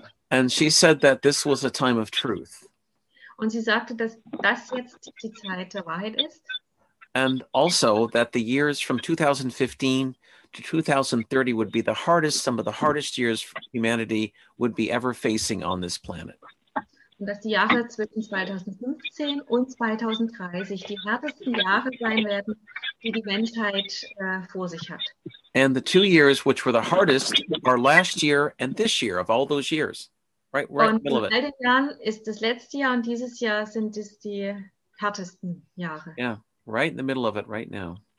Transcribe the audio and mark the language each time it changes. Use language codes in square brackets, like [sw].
[en] And she said that this was a time of truth. [de] Und sie sagte, dass das jetzt die Zeit der Wahrheit ist. [en] And also that the years from 2015 to 2030 would be the hardest, some of the hardest years humanity would be ever facing on this planet. Und dass die Jahre zwischen 2015 und 2030 die härtesten Jahre sein werden, die die Menschheit vor sich hat. And the 2 years which were the hardest are last year and this year of all those years. Right in the middle of it. [de] Und in all den Jahren ist das letzte Jahr und dieses Jahr sind es die härtesten Jahre. [en] Yeah, right in the middle of it right now.